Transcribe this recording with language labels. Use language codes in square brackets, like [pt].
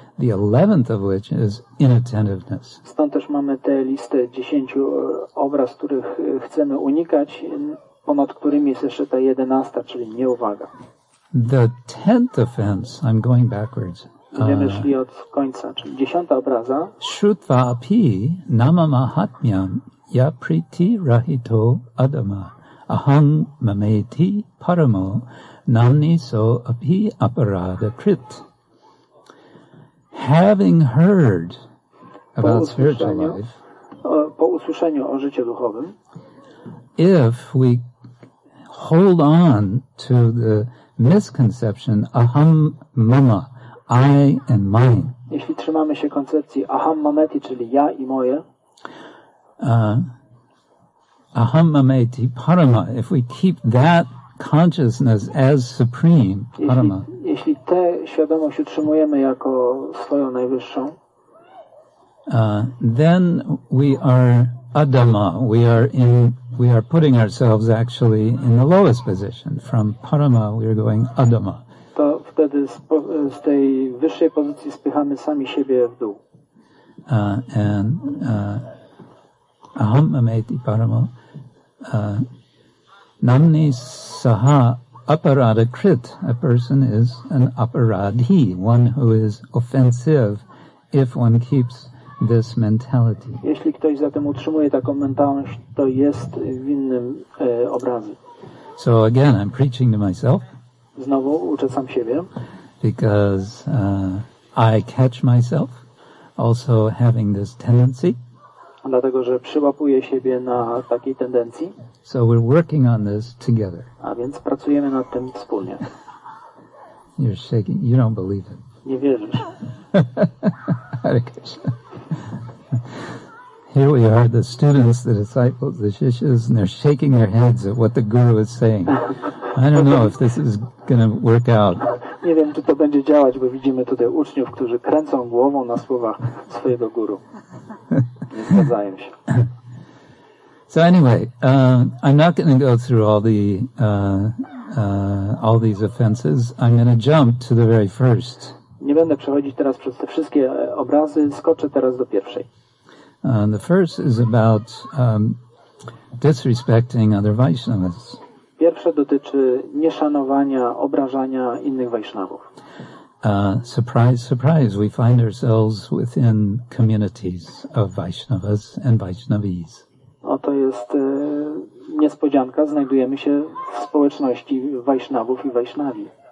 [en] The 11th of which is inattentiveness. [pl] Stąd też mamy te listę 10 obraz, których chcemy unikać, ponad którymi jest jeszcze ta 11, czyli nieuwaga. [en] The 10th offense, I'm going backwards. [pl] Będziemy szli od końca, czyli 10 obraza. [sa] Śrutva api nama mahatmyam ya priti rahito adama aham mameti paramo namni so api aparada krit. [en] having heard about spiritual life, [pl] po usłyszeniu o życiu duchowym, [en] if we hold on to the misconception, [sa] aham mama, [en] I and mine, [pl] jeśli trzymamy się koncepcji [sa] aham mameti, [pl] czyli ja i moje, [sa] aham mameti parama, [en] if we keep that consciousness as supreme, parama, [pl] jeśli tę świadomość utrzymujemy jako swoją najwyższą, [en] Then we are Adama. We are putting ourselves actually in the lowest position. From Parama, we are going Adama. [pl] To wtedy z tej wyższej pozycji spychamy sami siebie w dół. [sa] Aham mameti Parama. Namni saha aparada krit. [en] A person is an aparadhi, one who is offensive if one keeps this mentality. [pl] Jeśli ktoś zatem utrzymuje taką mentalność, to jest winnym obrazy. [en] So again, I'm preaching to myself. [pl] Znowu uczę sam siebie. [en] Because I catch myself also having this tendency. [pl] Dlatego, że przyłapuję siebie na takiej tendencji. [en] So we're working on this together. [pl] A więc pracujemy nad tym wspólnie. [en] You're shaking. You don't believe it. [pl] Nie wierzysz. [sa] Hare Krishna. [en] Here we are, the students, the disciples, the shishas, and they're shaking their heads at what the guru is saying. I don't know if this is going to work out. [pl] Nie wiem, czy to będzie działać, bo widzimy tutaj uczniów, którzy kręcą głową na słowach swojego guru. Nie zgadzają się. [en] So anyway, I'm not going to go through all these offenses. I'm going to jump to the very first. [pl] Nie będę przechodzić teraz przez te wszystkie obrazy, skoczę teraz do pierwszej. [en] The first is about disrespecting other Vaishnavas. [pl] Pierwsze dotyczy nieszanowania, obrażania innych Vaishnavów. [en] Surprise, surprise, we find ourselves within communities of Vaishnavas and Vaishnavis. [pl] Oto jest niespodzianka, znajdujemy się w społeczności Vaishnavów i Vaishnavi.